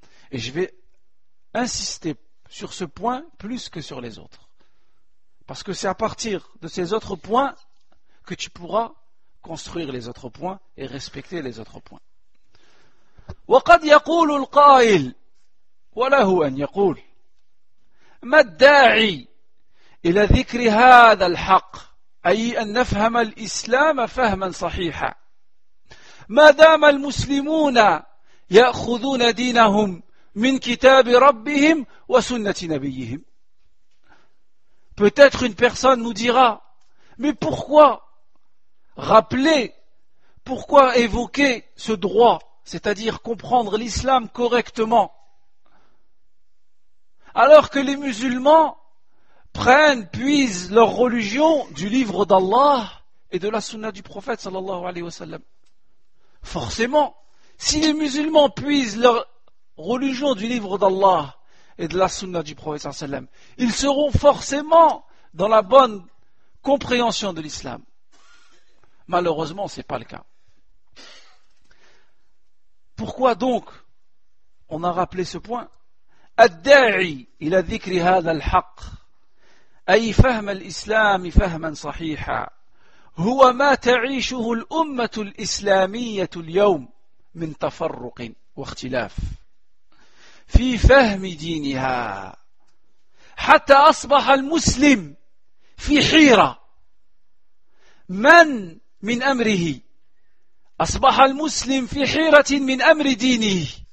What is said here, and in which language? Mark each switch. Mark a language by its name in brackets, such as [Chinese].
[French] Et je vais insister sur ce point plus que sur les autres. Parce que c'est à partir de ces autres points que tu pourras construire les autres points et respecter les autres points. [Arabic] وَقَدْ يَقُولُ الْقَائِلُ وَلَهُ أَنْ يَقُولُ مَا الدَّاعِي إِلَى ذِكْرِ هَذَا الْحَقِّ أي أن نفهم الإسلام فهما صحيحا ما دام المسلمون يأخذون دينهم من كتاب ربهم وسنة نبيهم. [French] Peut-être une personne nous dira, mais pourquoi rappeler, pourquoi évoquer ce droit, c'est-à-dire comprendre l'islam correctement, alors que les musulmans prennent, puisent leur religion du livre d'Allah et de la sunna du prophète sallallahu alayhi wa sallam. Forcément, si les musulmans puisent leur religion du livre d'Allah et de la sunna du prophète sallallahu alayhi wa sallam, ils seront forcément dans la bonne compréhension de l'islam. Malheureusement, ce n'est pas le cas. Pourquoi donc on a rappelé ce point ? [Arabic] الداعي إلى ذكر هذا الحق أي فهم الإسلام فهما صحيحا هو ما تعيشه الأمة الإسلامية اليوم من تفرق واختلاف في فهم دينها حتى أصبح المسلم في حيرة من من أمره أصبح المسلم في حيرة من أمر دينه